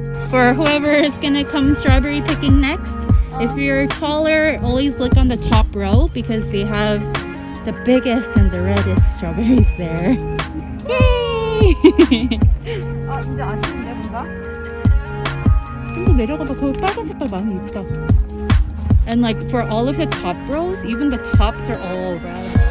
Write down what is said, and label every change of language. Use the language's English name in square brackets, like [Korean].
[English] For whoever is gonna come strawberry picking next, if you're taller, always look on the top row because we have the biggest and the reddest strawberries there. [Korean] Yay! 아, 이제 아쉽네, 뭔가? 좀 더 내려가봐. 더 빨간 색깔 많이 있다. [English] And like for all of the top rows, even the tops are all red.